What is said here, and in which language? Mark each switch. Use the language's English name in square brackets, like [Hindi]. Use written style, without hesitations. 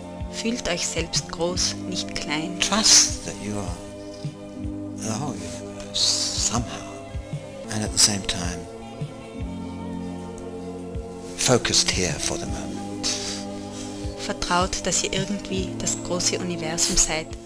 [German] Fühlt euch selbst groß, nicht klein. [English] Trust that you are the whole universe, somehow. And at the same time, focused here for the moment. [German] Vertraut, dass ihr irgendwie das große Universum seid,